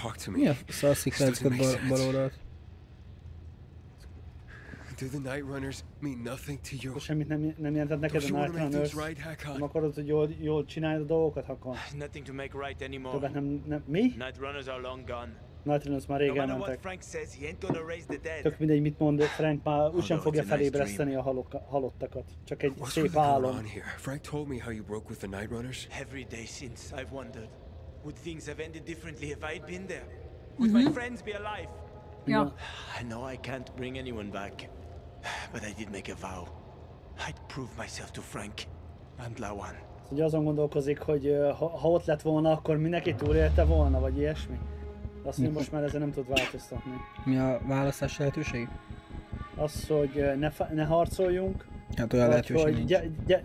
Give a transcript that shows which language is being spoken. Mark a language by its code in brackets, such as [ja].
[hu] Mi a szaszik lehetszett baloldalt? [en] Do the night runners mean nothing to you? [hu] Semmit nem jelentett neked a night runners. Nem akarod, hogy jól csináld a dolgokat, akkor. [en] Nothing to make right anymore. [hu] Többet nem mi? [en] Night runners are long gone. [hu] Night runners már rég elmentek. Tök mindegy, mit mond Frank, már úgysem fogja felébreszteni a halottakat. Csak egy szép álom. [en] Frank told me how you broke with the night runners. Every day since I've wondered, would things have ended differently if I'd been there? Would my friends be alive? Yeah. I know I can't bring anyone back, but I did make a vow. I'd prove myself to Frank and Lawan. [hu] Ugye azon gondolkozik, hogy ha ott lett volna, akkor mindenki túlélte volna, vagy ilyesmi. Azt mondja, most már ezzel nem tud változtatni. Mi a választás lehetőség? Az, hogy ne harcoljunk. Hát olyan lehetőség nincs.